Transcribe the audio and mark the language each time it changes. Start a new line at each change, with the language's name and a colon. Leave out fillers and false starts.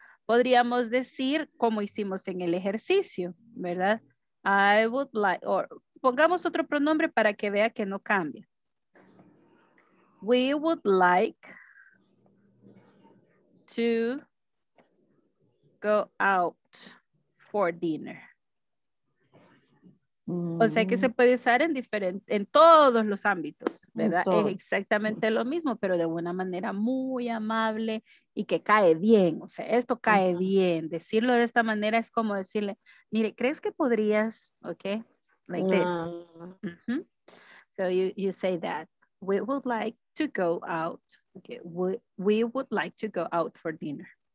Spanish: Podríamos decir, como hicimos en el ejercicio, ¿verdad?
English: I would like, or...
Spanish: Pongamos otro pronombre para que vea que no cambia.
English: We would like to go out for dinner.
Spanish: O sea que se puede usar en todos los ámbitos, ¿verdad? Es exactamente lo mismo, pero de una manera muy amable y que cae bien. O sea, esto cae bien. Decirlo de esta manera es como decirle, mire, ¿crees que podrías?
English: ¿Ok? Like this. Mm-hmm. So you say that we would like to go out. Okay. We would like to go out for dinner.